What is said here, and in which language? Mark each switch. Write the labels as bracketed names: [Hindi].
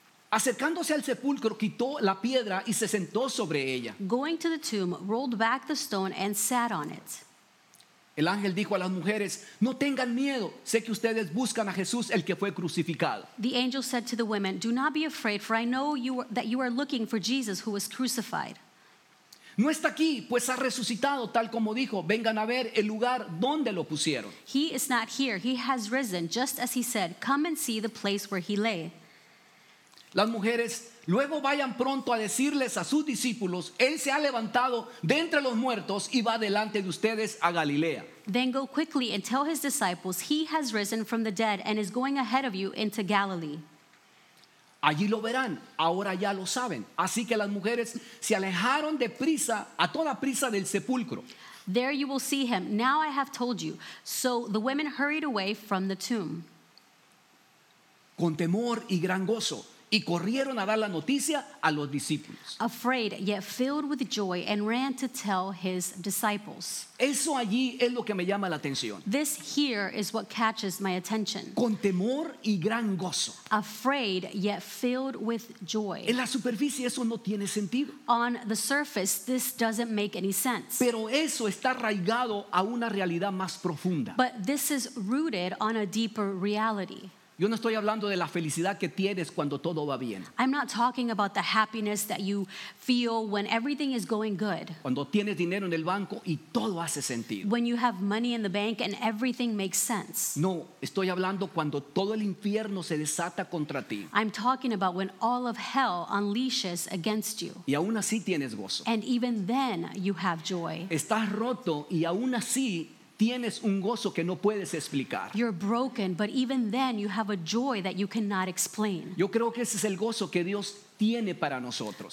[Spanish] acercándose al sepulcro quitó la piedra y se sentó sobre ella. [English] Going to the tomb, rolled back the stone and sat on it. [Spanish] El ángel dijo a las mujeres, no tengan miedo, sé que ustedes buscan a Jesús el que fue crucificado. [English] The angel said to the women, do not be afraid, for I know that you are looking for Jesus who was crucified. [Spanish] No está aquí, pues ha resucitado, tal como dijo, vengan a ver el lugar donde lo pusieron. [English] He is not here, he has risen, just as he said, come and see the place where he lay. [Spanish] Las mujeres, luego vayan pronto a decirles a sus discípulos, Él se ha levantado de entre los muertos y va delante de ustedes a Galilea. [English] Then go quickly and tell his disciples, He has risen from the dead and is going ahead of you into Galilee. [Spanish] Allí lo verán, ahora ya lo saben. Así que las mujeres se alejaron de prisa, a toda prisa del sepulcro. [English] There you will see him, now I have told you. So the women hurried away from the tomb. [Spanish] Con temor y gran gozo. y corrieron a dar la noticia a los discípulos. [English] Afraid yet filled with joy and ran to tell his disciples. [Spanish] Eso allí es lo que me llama la atención. [English] This here is what catches my attention. [Spanish] Con temor y gran gozo. [English] Afraid yet filled with joy. [Spanish] En la superficie eso no tiene sentido. [English] On the surface this doesn't make any sense. [Spanish] Pero eso está arraigado a una realidad más profunda. [English] But this is rooted on a deeper reality. [Spanish] Yo no estoy hablando de la felicidad que tienes cuando todo va bien. [English] I'm not talking about the happiness that you feel when everything is going good. [Spanish] Cuando tienes dinero en el banco y todo hace sentido. [English] When you have money in the bank and everything makes sense. [Spanish] No, estoy hablando cuando todo el infierno se desata contra ti. [English] I'm talking about when all of hell unleashes against you. [Spanish] Y aún así tienes gozo. [English] And even then you have joy. [Spanish] Estás roto y aún así tienes un gozo que no puedes explicar. [English] You're broken, but even then you have a joy that you cannot explain. [Spanish] Yo creo que ese es el gozo que Dios tiene para nosotros.